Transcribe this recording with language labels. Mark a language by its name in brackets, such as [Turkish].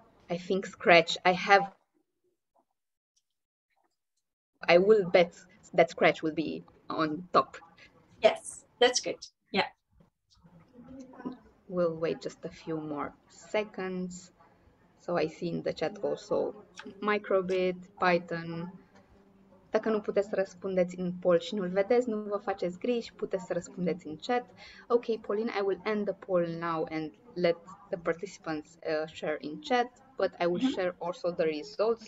[English] I think Scratch, I will bet that Scratch will be on top. Yes, that's good. Yeah. We'll wait just a few more seconds. So I see in the chat also Microbit, Python. [Romanian] Dacă nu puteți să răspundeți în poll și nu-l vedeți, nu vă faceți griji, puteți să răspundeți în chat. [English] Okay, Pauline, I will end the poll now and let the participants share in chat, but I will share also the results.